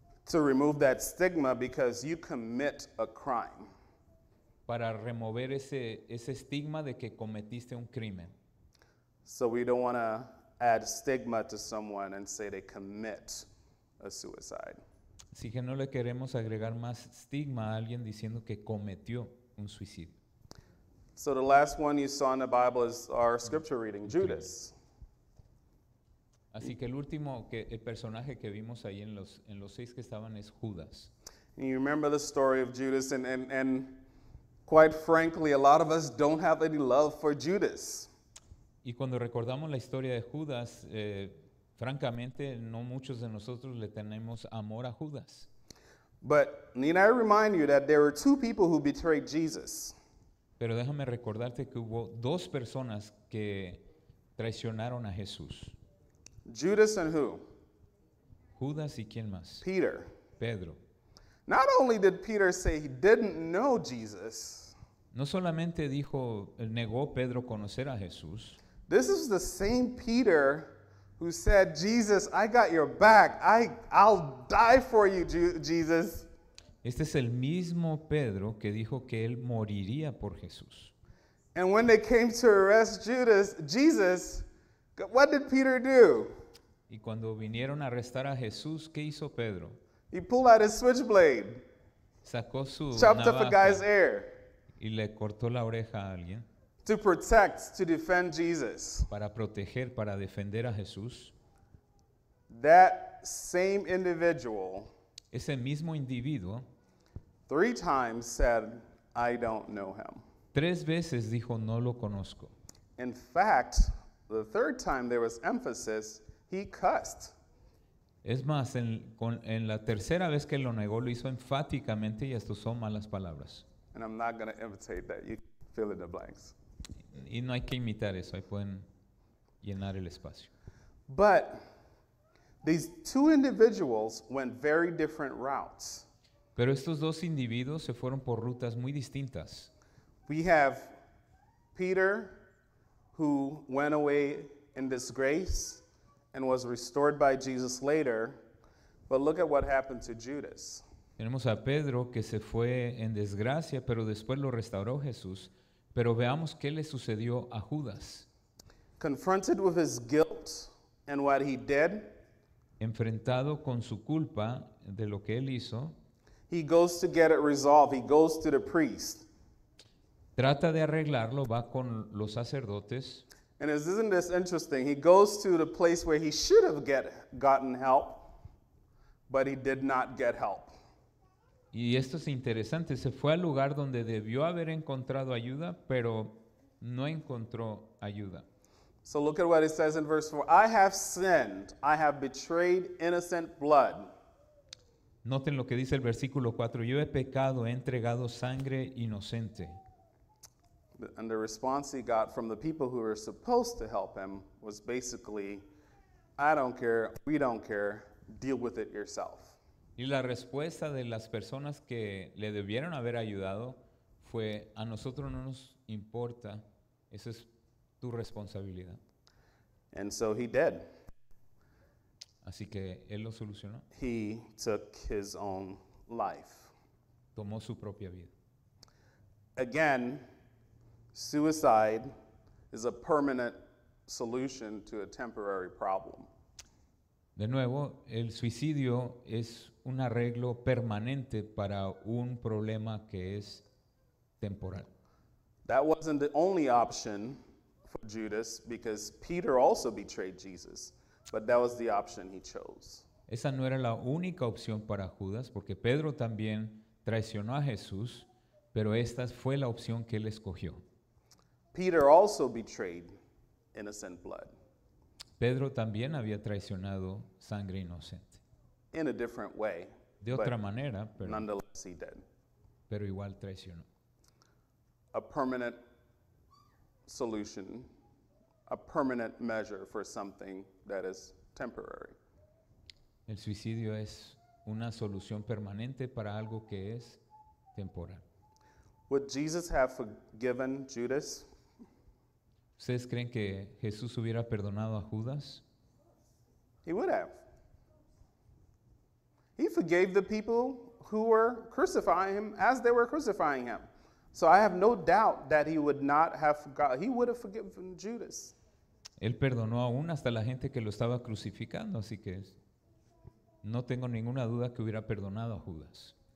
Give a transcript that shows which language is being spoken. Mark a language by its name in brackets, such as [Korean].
[English] To remove that stigma because you commit a crime. [Spanish] Para remover ese estigma de que cometiste un crimen. [English] So we don't want to add stigma to someone and say they commit a suicide. [Spanish] Así que no le queremos agregar más estigma a alguien diciendo que cometió un suicidio. [English] So the last one you saw in the Bible is our scripture reading, Judas. [Spanish] Así que el último el personaje que vimos ahí en los seis que estaban es Judas. [English] And you remember the story of Judas, and quite frankly, a lot of us don't have any love for Judas. [Spanish] Y cuando recordamos la historia de Judas, francamente, no muchos de nosotros le tenemos amor a Judas. [English] But need I remind you that there were two people who betrayed Jesus. [Spanish] Pero déjame recordarte que hubo dos personas que traicionaron a Jesús. [English] Judas and who? [Spanish] Judas y quién más? [English] Peter. [Spanish] Pedro. [English] Not only did Peter say he didn't know Jesus. [Spanish] No solamente dijo, negó Pedro conocer a Jesús. [English] This is the same Peter who said, Jesus, I got your back. I'll die for you, Jesus. [Spanish] Este es el mismo Pedro que dijo que él moriría por Jesús. [English] And when they came to arrest Judas, Jesus, what did Peter do? [Spanish] Y cuando vinieron a arrestar a Jesús, ¿qué hizo Pedro? [English] He pulled out his switchblade. [Spanish] Sacó su [English] chopped [Spanish] navaja, [English] up a guy's ear. [Spanish] Y le cortó la oreja a alguien. [English] To protect, to defend Jesus. [Spanish] Para proteger, para defender a Jesús. [English] That same individual. [Spanish] Ese mismo individuo. [English] Three times said, I don't know him. [Spanish] Tres veces dijo, no lo conozco. [English] In fact, the third time there was emphasis, he cussed. [Spanish] Es más, en la tercera vez que lo negó, lo hizo enfáticamente y esto son malas palabras. [English] And I'm not going to imitate that. You fill in the blanks. [Spanish] Y no hay que imitar eso, ahí pueden llenar el espacio. [English] But these two individuals went very different routes. [Spanish] Pero estos dos individuos se fueron por rutas muy distintas. [English] We have Peter, who went away in disgrace and was restored by Jesus later. But look at what happened to Judas. [Spanish] Tenemos a Pedro que se fue en desgracia, pero después lo restauró Jesús. Pero veamos qué le sucedió a Judas. [English] Confronted with his guilt and what he did, [Spanish] enfrentado con su culpa de lo que él hizo, [English] he goes to get it resolved. He goes to the priest. [Spanish] Trata de arreglarlo, va con los sacerdotes. [English] And isn't this interesting? He goes to the place where he should have gotten help, but he did not get help. [Spanish] Y esto es interesante, se fue al lugar donde debió haber encontrado ayuda, pero no encontró ayuda. [English] So look at what it says in verse 4. I have sinned. I have betrayed innocent blood. [Spanish] Noten lo que dice el versículo 4. Yo he pecado, he entregado sangre inocente. [English] And the response he got from the people who were supposed to help him was basically, I don't care, we don't care, deal with it yourself. [Spanish] Y la respuesta de las personas que le debieron haber ayudado fue, a nosotros no nos importa, esa es tu responsabilidad. [English] And so he did. [Spanish] Así que él lo solucionó. [English] He took his own life. [Spanish] Tomó su propia vida. [English] Again, suicide is a permanent solution to a temporary problem. [Spanish] De nuevo, el suicidio es un arreglo permanente para un problema que es temporal. [English] That wasn't the only option for Judas, because Peter also betrayed Jesus, but that was the option he chose. [Spanish] Esa no era la única opción para Judas, porque Pedro también traicionó a Jesús, pero esta fue la opción que él escogió. [English] Peter also betrayed innocent blood. [Spanish] Pedro también había traicionado sangre inocente. [English] In a different way. [Spanish] De otra manera, pero [English] nonetheless he did. [Spanish] Pero igual traicionó. [English] A permanent solution, a permanent measure for something that is temporary. [Spanish] El suicidio es una solución permanente para algo que es temporal. [English] Would Jesus have forgiven Judas? [Spanish] ¿Ustedes creen que Jesús hubiera perdonado a Judas? [English] He would have. He forgave the people who were crucifying him as they were crucifying him. So I have no doubt that he would not have forgotten. He would have forgiven Judas. [Spanish] Él perdonó aún hasta la gente que lo estaba crucificando, así que no tengo ninguna duda que hubiera perdonado a Judas.